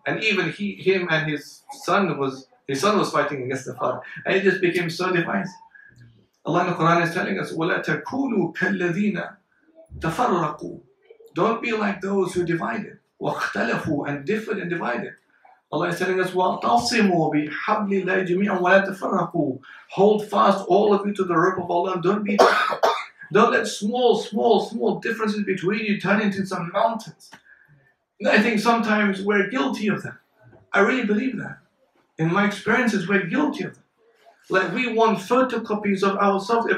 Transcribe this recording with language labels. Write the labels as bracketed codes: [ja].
[en] And even him and his son was fighting against the father, and he just became so divisive. Allah in the Quran is telling us, [ar] وَلَا تَكُونُوا كَالَّذِينَ تَفَرَّقُوا. [en] Don't be like those who divided. [ar] وَاخْتَلَفُوا, [en] and differed and divided. Allah is telling us, [ar] وَاعْتَصِمُوا بِحَبْلِ اللَّهِ جَمِيعًا وَلَا تَفَرَّقُوا. [en] Hold fast all of you to the rope of Allah. Don't let small differences between you turn into some mountains. And I think sometimes we're guilty of that. I really believe that. In my experiences, we're guilty of that. Like, we want photocopies of ourselves.